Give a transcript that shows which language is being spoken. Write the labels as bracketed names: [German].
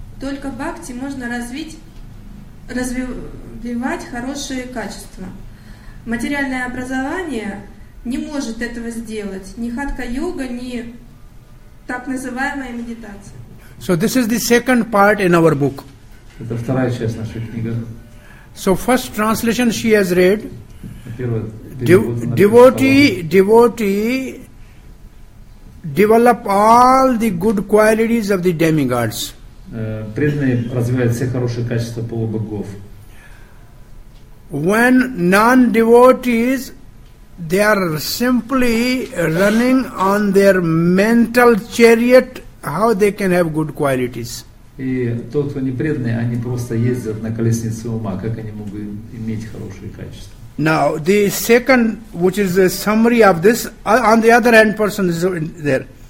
[Russian] Только бхакти можно развивать хорошие качества. Материальное образование не может этого сделать. Ни хатха-йога, ни так называемая медитация. [English] So this is the second part in our book. [Russian] Это вторая часть нашей книги. [English] So first translation she has read. Devotee develop all the good qualities of the demigods. [Russian] Преданные развивают все хорошие качества полубогов. [English] When non-devotees, they are simply running on their mental chariot, how they can have good qualities? [Russian] И тот, кто не преданный, они просто ездят на колеснице ума, как они могут иметь хорошие качества. [English] Now, the second, which is a summary of this, on the other hand, person is there.